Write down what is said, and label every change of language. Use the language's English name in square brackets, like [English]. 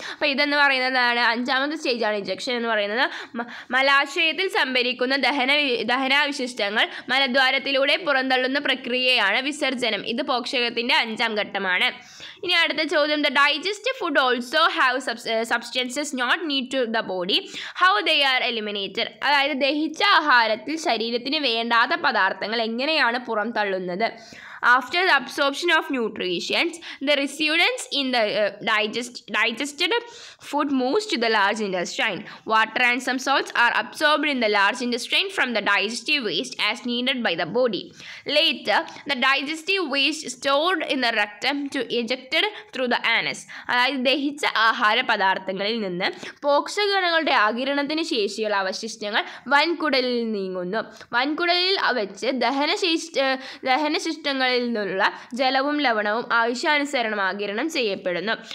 [Malayalam] അപ്പോൾ ഇതെന്ന് പറയുന്നതാണ് അഞ്ചാമത്തെ സ്റ്റേജാണ് ഇജക്ഷൻ എന്ന് പറയുന്നത്. മലാശയത്തിൽ സംഭരിക്കുന്ന ദഹനാവശിഷ്ടങ്ങൾ മലദ്വാരത്തിലൂടെ പുറന്തള്ളുന്ന പ്രക്രിയയാണ് വിസർജനം. ഇത് പോഷകത്തിൻ്റെ അഞ്ചാം ഘട്ടമാണ്. ഇനി അടുത്ത ചോദ്യം, [English] The digestive food also have substances not need to the body, how they are eliminated? [Malayalam] അതായത് ദഹിച്ച ആഹാരത്തിൽ ശരീരത്തിന് വേണ്ടാത്ത പദാർത്ഥങ്ങൾ എങ്ങനെയാണ് പുറംതള്ളുന്നത്? [English] After the absorption of nutrients, the residues in the digested food moves to the large intestine. Water and some salts are absorbed in the large intestine from the digestive waste as needed by the body. Later, the digestive waste is stored in the rectum to eject it through the anus. [Malayalam] അതായത് ദഹിച്ച ആഹാര പദാർത്ഥങ്ങളിൽ നിന്ന് പോഷകഗുണങ്ങളുടെ ആഗിരണത്തിന് ശേഷിയുള്ള അവശിഷ്ടങ്ങൾ വൻകുടലിൽ നീങ്ങുന്നു. വൻകുടലിൽ വെച്ച് ദഹനശിഷ്ടങ്ങളിൽ നിന്നുള്ള ജലവും ലവണവും ആവശ്യാനുസരണം ആഗിരണം ചെയ്യപ്പെടുന്നു.